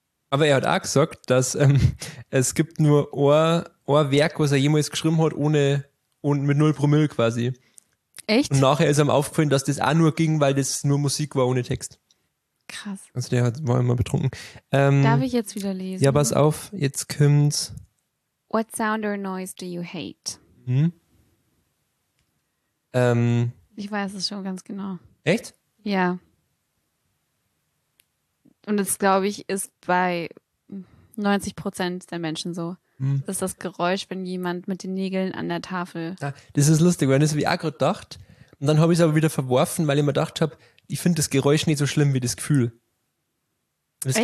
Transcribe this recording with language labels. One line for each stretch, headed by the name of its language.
German: Aber er hat auch gesagt, dass es gibt nur ein Werk, was er jemals geschrieben hat, ohne mit 0 Promille quasi. Echt? Und nachher ist ihm aufgefallen, dass das auch nur ging, weil das nur Musik war ohne Text. Krass. Also der war immer betrunken. Darf ich jetzt wieder lesen? Ja, pass auf, jetzt kommt's.
English: What sound or noise do you hate?
German: Ich weiß es schon ganz genau. Echt? Ja. Und das, glaube ich, ist bei, 90% der Menschen so. Das ist das Geräusch, wenn jemand mit den Nägeln an der Tafel. Ja, das ist lustig, weil das habe ich auch gerade gedacht. Und dann habe ich es aber wieder verworfen, weil ich mir gedacht habe, ich finde das Geräusch nicht so schlimm wie das Gefühl. Das Echt?